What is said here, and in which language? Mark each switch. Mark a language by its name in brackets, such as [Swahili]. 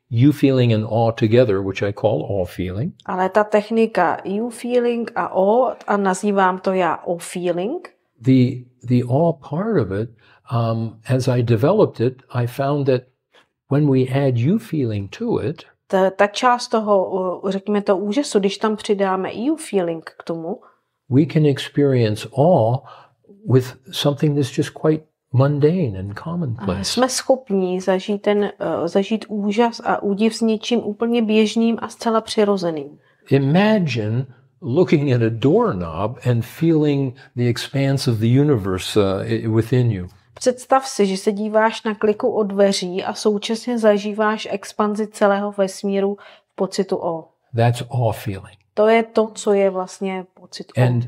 [English] you feeling and awe together, which I call awe feeling. [Czech] Ale ta technika you feeling a awe, a nazývám to já awe feeling. [English] The awe part of it, as I developed it, I found that when we add you feeling to it, [Czech] ta část toho, řekněme to úžasu, když tam přidáme you feeling k tomu, [English] we can experience awe with something that's just quite mundane and commonplace. [Czech] Jsme schopni zažít ten zažít úžas a údiv s něčím úplně běžným a zcela přirozeným. [English] Imagine looking at a doorknob and feeling the expanse of the universe within you. [Czech] Představ si, že se díváš na kliku od dveří a současně zažíváš expanzi celého vesmíru v pocitu o. [English] That's awe feeling. [Czech] To je to, co je vlastně pocit o.